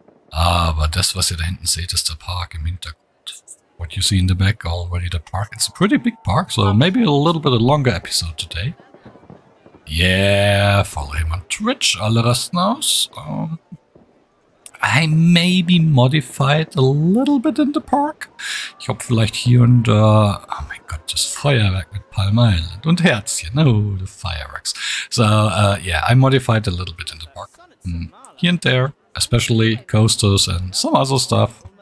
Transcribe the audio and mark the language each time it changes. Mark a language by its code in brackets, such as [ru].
[de] Aber das, was ihr da hinten seht, ist der Park im Hintergrund. [en] What you see in the back already, the park. It's a pretty big park, so maybe a little bit of longer episode today. Yeah, follow him on Twitch, Alle Rasten Aus. I maybe modified a little bit in the park. [de] Ich hoffe vielleicht hier und da. Oh mein Gott, das Feuerwerk mit Palm Island und Herzchen. [en] Oh, the fireworks. So, I modified a little bit in the park. Here and there, especially coasters and some other stuff.